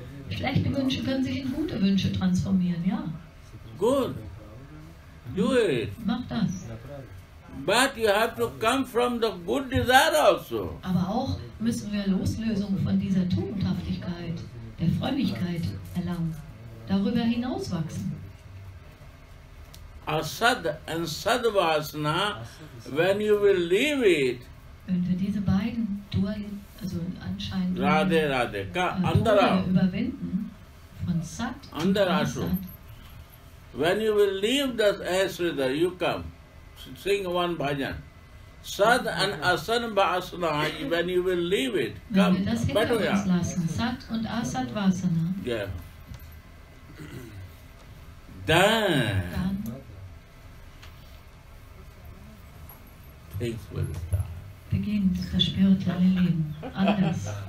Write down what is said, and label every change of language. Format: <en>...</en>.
<de>Schlechte Wünsche können sich in gute Wünsche transformieren, ja.</de> <en>Good. Do it.</en> <de>Mach das.</de> <en>But you have to come from the good desire also.</en> <de>Aber auch müssen wir Loslösung von dieser Tugendhaftigkeit, der Frömmigkeit erlangen, darüber hinauswachsen.</de> <en>Asad and sadvasana, when you will leave it.</en> <de>Wenn wir diese beiden anscheinend Radhe, Radhe, andara. Überwinden, von sat und asad.</de> <en>When you will leave that asrita, you come. Sing one bhajan. Sad and asad vasana, when you will leave it, come.</en> <de>Wenn wir das hinter uns lassen, sat und asad vasana.</de> <en>Yeah.</en> <de>Dann.</de> <en>Things will start.</en> <de>Beginnt das spirituelle Leben. Anders.</de>